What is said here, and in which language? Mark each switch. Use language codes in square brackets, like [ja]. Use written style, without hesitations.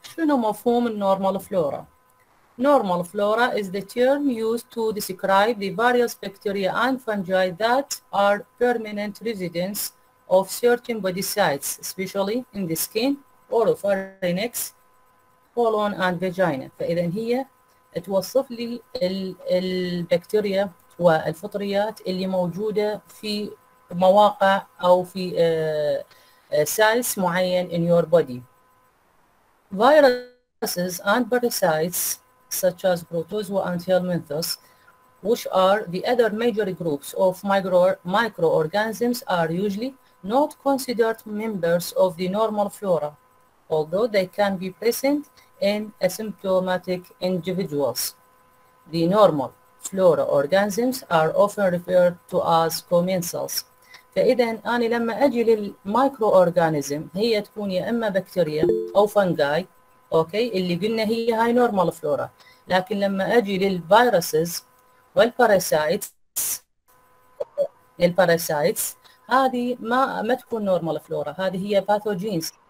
[ar] شنو مفهوم النورمال فلورا؟ [en] Normal flora is the term used to describe the various bacteria and fungi that are permanent residents of certain body sites, especially in the skin, oropharynx, colon and vagina. [ar] فإذا هي توصف لي البكتيريا والفطريات اللي موجودة في مواقع أو في سيلز معين [en] in your body. Viruses and parasites such as protozoa and helminthus, which are the other major groups of microorganisms, are usually not considered members of the normal flora, although they can be present in asymptomatic individuals. The normal flora organisms are often referred to as commensals. [ar] فإذا أنا لما أجي للمايكرو أورجانيزم هي تكون يا إما بكتيريا أو فنجاي، أوكي، اللي قلنا هي هاي نورمال فلورا، لكن لما أجي للفيروسز والباراسايتس، الباراسايتس هذه ما تكون نورمال فلورا، هذه هي باثوجينز.